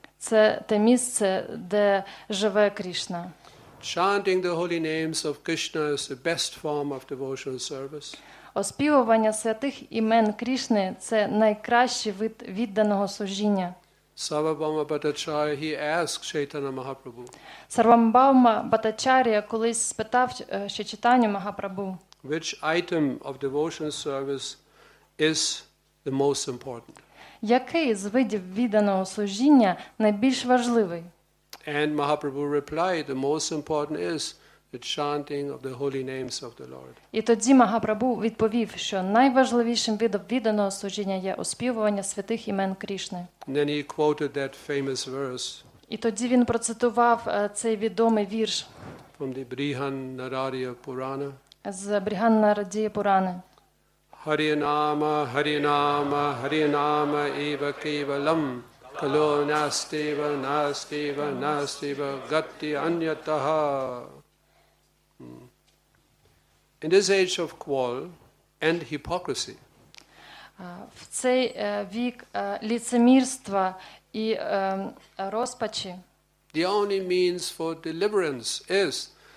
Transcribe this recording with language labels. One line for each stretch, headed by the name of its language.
Ukrainian: Це те місце, де живе Кришна.
English: Chanting the holy names of Krishna is the best form of devotional service.
Ukrainian: Оспівування святих імен Кришни – це найкращий вид відданого служіння.
English: Sarvabhauma Bhattacharya, he asked Chaitanya Mahaprabhu.
Ukrainian: Sarvabhauma Bhattacharya колись спитав Чайтанью Махапрабху.
English: Which item of devotional service is the most important?
Ukrainian: Який з видів відданого служіння найбільш важливий?
English: And Mahaprabhu replied, the most important is the chanting of the holy names of the Lord.
Ukrainian: І тоді Махапрабху відповів, що найважливішим видом відданого служіння є оспівування святих імен Кришни.
English: And then he quoted that famous verse.
Ukrainian: І тоді він процитував цей відомий вірш.
English: From the Brihan Nararya Purana.
Ukrainian: З Брігана Нарадія Пурани.
Sanskrit: Hari nama hari nama hari nama eva kevalam kalo nasteva nasteva nasteva gati anyataha.
English: In this age of qual and hypocrisy,
Ukrainian: в цей вік лицемірства і розпачі,
English: the only means for deliverance is